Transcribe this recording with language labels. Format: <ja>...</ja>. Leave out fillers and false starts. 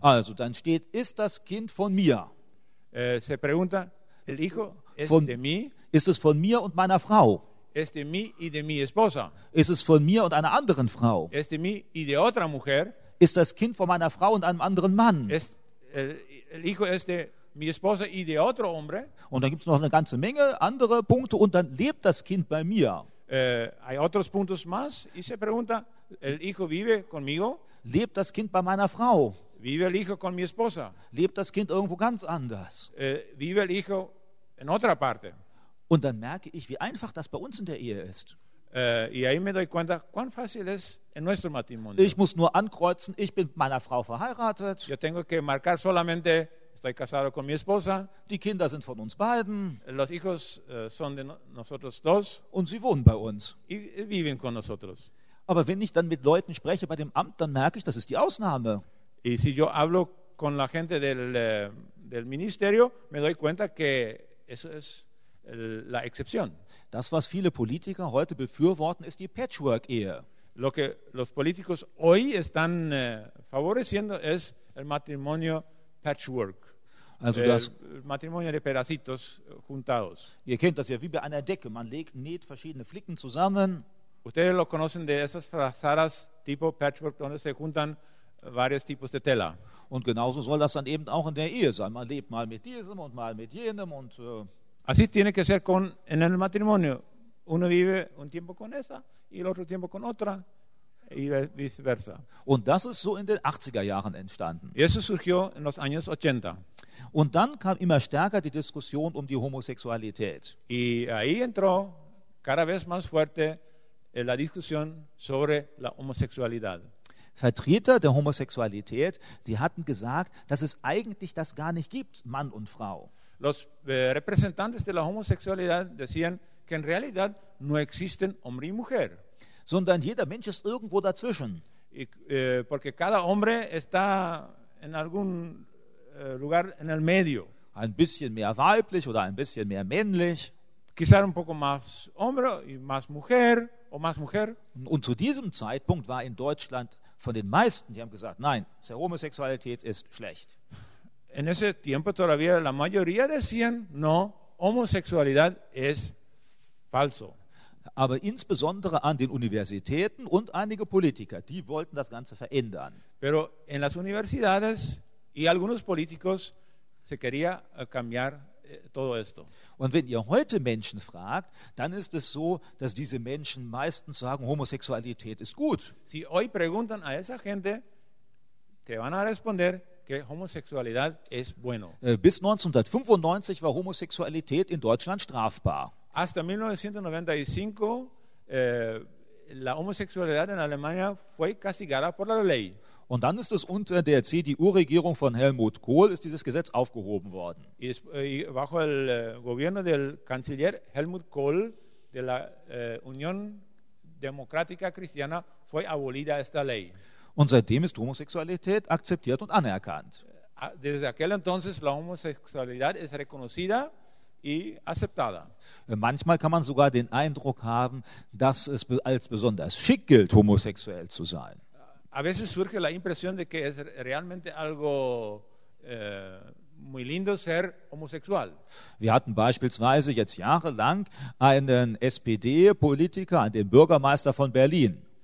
<de>Also dann steht, ist das Kind von mir?</de> <es>Se pregunta, El hijo es</es> <de>von,</de> <es>de mí,</es> <de>ist es von mir und meiner Frau?</de> <es>Es de mí y de mi esposa.</es> <de>Ist es von mir und einer anderen Frau?</de> <es>Es de mí y de otra mujer.</es> <de>Ist das Kind von meiner Frau und einem anderen Mann?</de> <es>Es, el hijo es de mi esposa y de otro hombre.</es> <de>Und dann gibt es noch eine ganze Menge andere Punkte und dann lebt das Kind bei mir.</de> <es>Hay otros puntos más y se pregunta, el hijo vive conmigo?</es> <de>Lebt das Kind bei meiner Frau?</de> <es>Vive el hijo con mi esposa?</es> <de>Lebt das Kind irgendwo ganz anders?</de> <es>Vive el hijo en otra parte?</es> <de>Und dann merke ich, wie einfach das bei uns in der Ehe ist.</de> <es>Y ahí me doy cuenta, ¿cuán fácil es en nuestro matrimonio?</es> <de>Ich muss nur ankreuzen, ich bin mit meiner Frau verheiratet.</de> <es>Yo tengo que marcar solamente, estoy casado con mi esposa.</es> <de>Die Kinder sind von uns beiden.</de> <es>Los hijos son de nosotros dos.</es> <de>Und sie wohnen bei uns.</de> <es>Y viven con nosotros.</es> <de>Aber wenn ich dann mit Leuten spreche bei dem Amt, dann merke ich, das ist die Ausnahme.</de> <es>Y si yo hablo con la gente del ministerio, me doy cuenta que eso es la excepción.</es> <de>Das, was viele Politiker heute befürworten, ist die Patchwork-Ehe.</de> <es>Lo que los políticos hoy están favoreciendo es el matrimonio patchwork.</es> <de>Also das</de> <es>matrimonio de pedacitos juntados.</es> <de>Ihr kennt das ja wie bei einer Decke. Man legt, näht verschiedene Flicken zusammen.</de> <es>Ustedes lo conocen de esas frazadas tipo patchwork, donde se juntan varios tipos de tela.</es> <de>Und genauso soll das dann eben auch in der Ehe sein. Man lebt mal mit diesem und mal mit jenem und</de> <es>Así tiene que ser con en el matrimonio. Uno vive un tiempo con esa y el otro tiempo con otra y viceversa.</es> <de>Und das ist so in den 80er Jahren entstanden.</de> <es>Y eso surgió en los años 80.</es> <de>Und dann kam immer stärker die Diskussion um die Homosexualität.</de> <es>Y ahí entró cada vez más fuerte la discusión sobre la homosexualidad.</es> <de>Vertreter der Homosexualität, die hatten gesagt, dass es eigentlich das gar nicht gibt, Mann und Frau.</de> <es>Los representantes de la homosexualidad decían que en realidad no existen hombre y mujer.</es> <de>Sondern jeder Mensch ist irgendwo dazwischen.</de> <es>Porque cada hombre está en algún lugar en el medio.</es> <de>Ein bisschen mehr weiblich oder ein bisschen mehr männlich.</de> <es>Quizá un poco más hombre y más mujer o más mujer.</es> <de>Und zu diesem Zeitpunkt war in Deutschland von den meisten, die haben gesagt, nein, Homosexualität ist schlecht.</de> <es>En ese tiempo todavía la mayoría decían, no, homosexualidad es falso.</es> <de>Aber insbesondere an den Universitäten und einige Politiker, die wollten das Ganze verändern.</de> <es>Pero en las universidades y algunos políticos se quería cambiar todo esto.</es> <de>Und wenn ihr heute Menschen fragt, dann ist es so, dass diese Menschen meistens sagen, Homosexualität ist gut.</de> <es>Si hoy preguntan a esa gente, te van a responder, que homosexualidad es bueno.</es> <de>Bis 1995 war Homosexualität in Deutschland strafbar.</de> <es>Hasta 1995 la homosexualidad en Alemania fue castigada por la ley.</es> <de>Und dann ist es unter der CDU-Regierung von Helmut Kohl ist dieses Gesetz aufgehoben worden.</de> <es>Y bajo el gobierno del canciller Helmut Kohl de la Unión Democrática Cristiana fue abolida esta ley.</es> <de>Und seitdem ist Homosexualität akzeptiert und anerkannt.</de> <es>Desde aquel entonces la homosexualidad es reconocida y aceptada.</es> <de>Manchmal kann man sogar den Eindruck haben, dass es als besonders schick gilt, homosexuell zu sein.</de> <es>A veces surge la impresión de que es realmente algo muy lindo ser homosexual.</es> <de>Wir hatten beispielsweise jetzt jahrelang einen SPD-Politiker, den Bürgermeister von Berlin.</de>